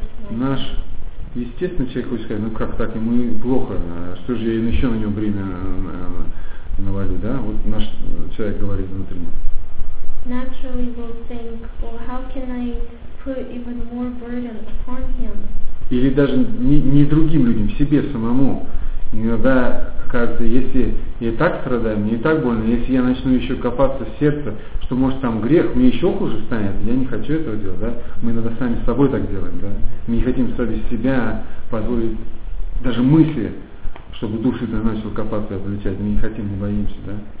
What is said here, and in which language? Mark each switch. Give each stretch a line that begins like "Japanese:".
Russian: Наш естественный человек хочет сказать, ну как так, ему плохо, что же я еще на него бремя навалю, да? Вот наш человек говорит внутренне.
English: naturally will think, well, how can I put even more burden upon him?
Russian: Или даже не другим людям, себе самому. Иногда кажется, если я и так страдаю, мне и так больно, если я начну еще копаться в сердце, что может там грех, мне еще хуже станет, я не хочу этого делать, да? Мы иногда сами с собой так делаем, да? Мы не хотим сами себя позволить даже мысли, чтобы дух всегда начал копаться и обличать, мы не хотим, не боимся, да?